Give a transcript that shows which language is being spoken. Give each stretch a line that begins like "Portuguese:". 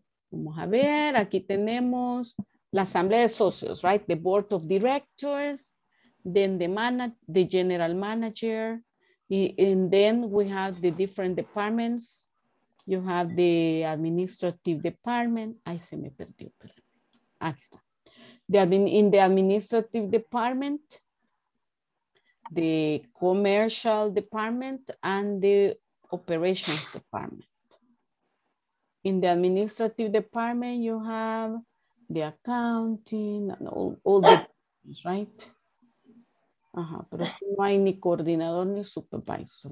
Spanish: Vamos a ver, aquí tenemos la asamblea de socios,
English: right? The board of directors, then the general manager, and then we have the different departments. You have the administrative department.
Spanish: Ay, se me perdió. Aquí está.
English: In the administrative department, the commercial department, and the operations department. In the administrative department, you have the accounting and all the things, right?
Spanish: Ajá, pero aquí no hay ni coordinador ni supervisor.